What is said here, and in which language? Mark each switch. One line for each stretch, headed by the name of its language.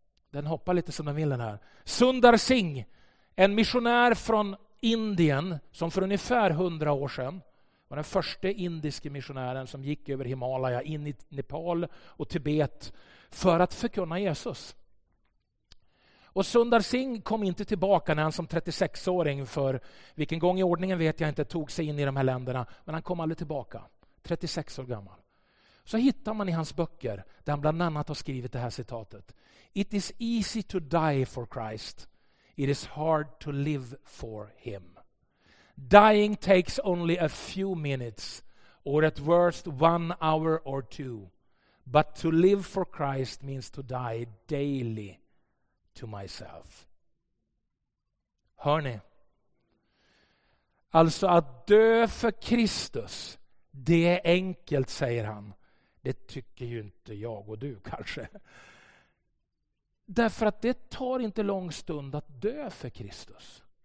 Swedish: Den hoppar lite som den vill den här. Sundar Singh. En missionär från Indien som för ungefär 100 år sedan var den första indiska missionären som gick över Himalaya in i Nepal och Tibet för att förkunna Jesus. Och Sundar Singh kom inte tillbaka när han som 36-åring, för vilken gång i ordningen vet jag inte, tog sig in i de här länderna. Men han kom aldrig tillbaka. 36 år gammal. Så hittar man i hans böcker där han bland annat har skrivit det här citatet.
English: It is easy to die for Christ. It is hard to live for him. Dying takes only a few minutes, or at worst 1 hour or 2. But to live for Christ means to die daily to myself.
Swedish: Hör ni? Alltså att dö för Kristus, det är enkelt, säger han. Det tycker ju inte jag och du kanske. Därför att det tar inte lång stund att dö för Kristus.